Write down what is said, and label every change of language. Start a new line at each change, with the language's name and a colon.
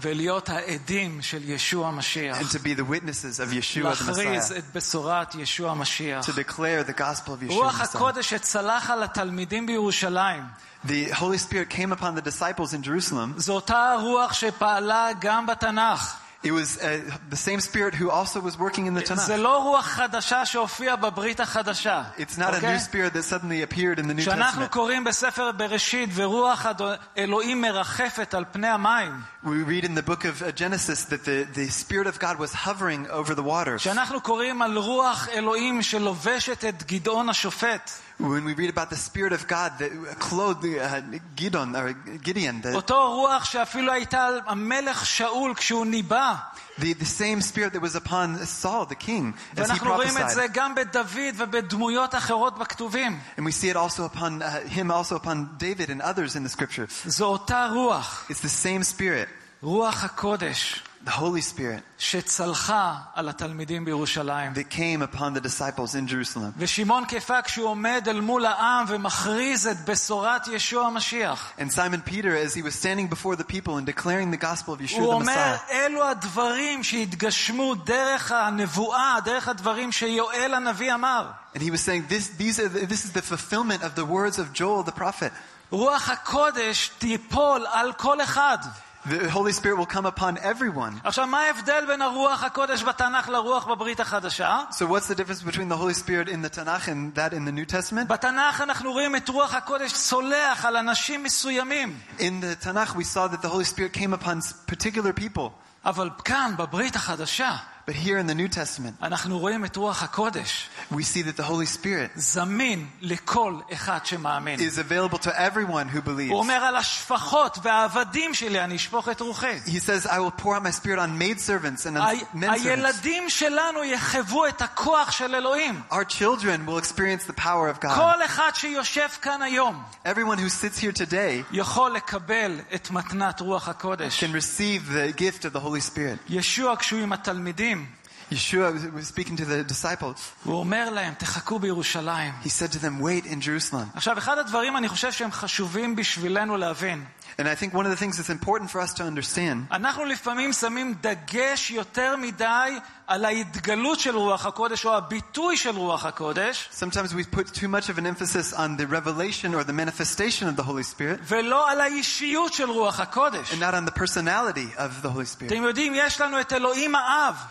Hebrew: ולהיות העדים של ישוע המשיח.
English: And to be the witnesses of Yeshua the Messiah.
Hebrew: להכריז את בשורת ישוע המשיח.
English: To declare the gospel of Yeshua.
Hebrew: רוח הקודש צלח על התלמידים בירושלים.
English: The Holy Spirit came upon the disciples in Jerusalem.
Hebrew: זו אותה רוח שפעלה גם בתנ"ך.
English: It was the same spirit who also was working in the Tanakh.
Hebrew: זה לא רוח חדשה שהופיעה בברית החדשה.
English: It's not okay? A new spirit that suddenly appeared in the New
Hebrew: כשאנחנו
English: Testament.
Hebrew: כשאנחנו קוראים בספר בראשית ורוח אלוהים מרחפת על פני המים.
English: We read in the book of Genesis that the spirit of God was hovering over the waters.
Hebrew: כשאנחנו קוראים על רוח אלוהים שלובשת את גדעון השופט.
English: When we read about the spirit of God that clothed Gideon or Gideon the
Hebrew: אותו רוח שאפילו הייתה על המלך שאול כשהוא ניבא
English: the same spirit that was upon Saul the king as he prophesied.
Hebrew: ואנחנו רואים את זה גם בדוד ובדמויות אחרות בכתובים.
English: And we see it also upon him also upon David and others in the scriptures.
Hebrew: זו אותה רוח.
English: It's the same spirit.
Hebrew: רוח הקודש.
English: The Holy Spirit
Hebrew: שצלחה על התלמידים בירושלים.
English: They came upon the disciples in Jerusalem.
Hebrew: ושמעון קיפה כשהוא עומד אל מול העם ומכריז את בשורת ישוע המשיח.
English: And Simon Peter as he was standing before the people and declaring the gospel of Yeshua the Messiah.
Hebrew: הוא אומר אלו הדברים שהתגשמו דרך הנבואה, דרך הדברים שיואל הנביא אמר.
English: And he was saying this is the fulfillment of the words of Joel the prophet.
Hebrew: רוח הקודש תיפול על כל אחד.
English: The Holy Spirit will come upon everyone.
Hebrew: עכשיו, מה ההבדל בין הרוח הקודש בתנ"ך לרוח בברית החדשה?
English: So what's the difference between the Holy Spirit in the Tanakh and that in the New Testament?
Hebrew: בתנ"ך אנחנו רואים את רוח הקודש צולח על אנשים מסוימים.
English: In the Tanakh we saw that the Holy Spirit came upon particular people.
Hebrew: אבל כאן בברית החדשה,
English: but here in the New Testament,
Hebrew: אנחנו רואים את רוח הקודש.
English: We see that the Holy Spirit
Hebrew: זמין לכל אחד שמאמין.
English: Is available to everyone who believes.
Hebrew: הוא אומר על השפחות והעבדים שלי אני אשפוך את רוחי.
English: He says I will pour out my spirit on maid servants and on men servants.
Hebrew: הילדים שלנו יחוו את הכוח של אלוהים.
English: Our children will experience the power of God.
Hebrew: כל אחד שיושב כאן היום,
English: everyone who sits here today,
Hebrew: יכול לקבל את מתנת רוח הקודש.
English: Can receive the gift of the Holy Spirit.
Hebrew: ישוע כשהוא עם התלמידים
English: Yeshua was speaking to the disciples.
Hebrew: הוא אומר להם תחכו בירושלים.
English: He said to them wait in Jerusalem.
Hebrew: עכשיו אחד הדברים אני חושב שהם חשובים בשבילנו להבין.
English: And I think one of the things that's important for us to understand.
Hebrew: אנחנו לפעמים שמים דגש יותר מדי על ההתגלות של רוח הקודש או הביטוי של רוח הקודש.
English: Sometimes we put too much of an emphasis on the revelation or the manifestation of the Holy Spirit.
Hebrew: ולא על האישיות של רוח הקודש.
English: And not on the personality of the Holy Spirit.
Hebrew: אתם יודעים יש לנו את אלוהים האב.